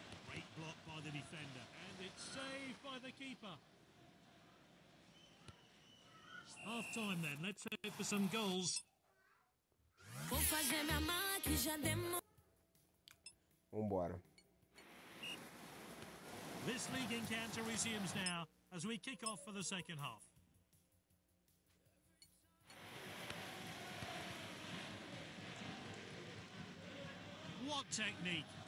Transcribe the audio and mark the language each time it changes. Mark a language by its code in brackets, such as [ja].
[en] Great block by the defender, and it's saved by the keeper. Half time then, let's hope for some goals. [pt] Vou fazer minha mala que já demorou. Vambora. [en] This league encounter resumes now as we kick off for the second half. What technique?